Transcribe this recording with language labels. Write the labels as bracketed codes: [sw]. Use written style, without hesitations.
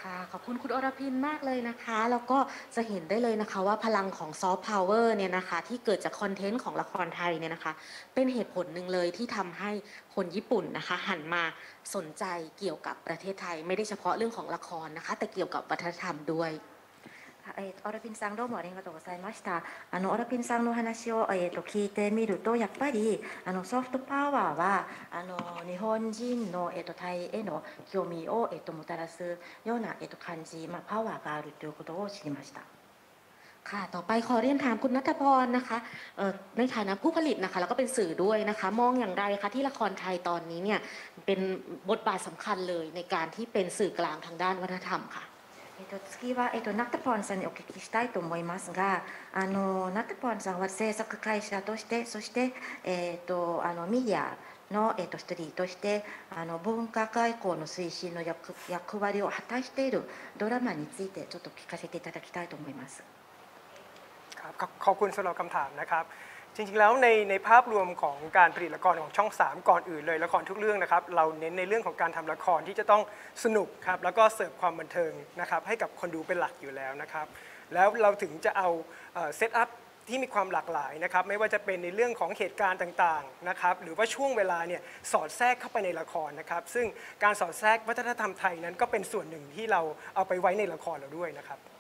[th] ค่ะขอบคุณคุณอรพินมากเลยนะคะแล้วก็จะเห็นได้เลยนะคะว่าพลังของซอฟต์พาวเวอร์เนี่ยนะคะที่เกิดจากคอนเทนต์ของละครไทยเนี่ยนะคะเป็นเหตุผลนึงเลยที่ทำให้คนญี่ปุ่นนะคะหันมาสนใจเกี่ยวกับประเทศไทยไม่ได้เฉพาะเรื่องของละครนะคะแต่เกี่ยวกับวัฒนธรรมด้วย [ja] オラピンさんどうもありがとうございました。あのオラピンさんの話を、聞いてみるとやっぱりあのソフトパワーはあの日本人の、タイへの興味を、もたらすような、感じ、まあ、パワーがあるということを知りました。 [th] ค่ะต่อไปขอเรียนถามคุณณัฐพรนะคะในฐานะผู้ผลิตนะคะแล้วก็เป็นสื่อด้วยนะคะมองอย่างไรคะที่ละครไทยตอนนี้เนี่ยเป็นบทบาทสำคัญเลยในการที่เป็นสื่อกลางทางด้านวัฒนธรรมค่ะ [ja] 次は、ナタポンさんにお聞きしたいと思いますが、あのナタポンさんは制作会社としてそして、あのメディアの、一人としてあの文化外交の推進の 役割を果たしているドラマについてちょっと聞かせていただきたいと思います。 [th] ขอบคุณสำหรับคำถามนะครับจริงๆแล้วในภาพรวมของการผลิตละครของช่อง3ก่อนอื่นเลยละครทุกเรื่องนะครับเราเน้นในเรื่องของการทำละครที่จะต้องสนุกครับแล้วก็เสิร์ฟความบันเทิงนะครับให้กับคนดูเป็นหลักอยู่แล้วนะครับแล้วเราถึงจะเอาเซตอัพที่มีความหลากหลายนะครับไม่ว่าจะเป็นในเรื่องของเหตุการณ์ต่างๆนะครับหรือว่าช่วงเวลาเนี่ยสอดแทรกเข้าไปในละครนะครับซึ่งการสอดแทรกวัฒนธรรมไทยนั้นก็เป็นส่วนหนึ่งที่เราเอาไปไว้ในละครเราด้วยนะครับ